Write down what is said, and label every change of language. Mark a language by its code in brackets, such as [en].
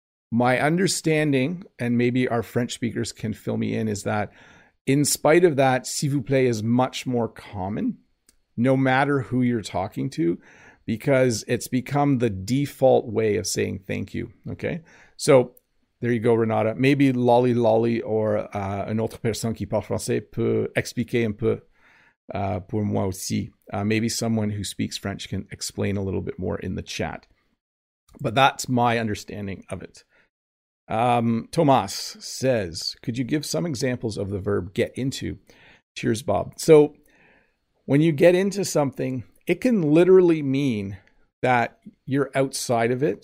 [en] My understanding, and maybe our French speakers can fill me in, is that in spite of that, s'il vous plaît is much more common, no matter who you're talking to, because it's become the default way of saying thank you, okay? So there you go, Renata. Maybe Lolly or [fr] une autre personne qui parle français peut expliquer un peu Pour moi aussi. [en] Maybe someone who speaks French can explain a little bit more in the chat. But that's my understanding of it. Tomas says, could you give some examples of the verb get into? Cheers, Bob. So when you get into something, it can literally mean that you're outside of it.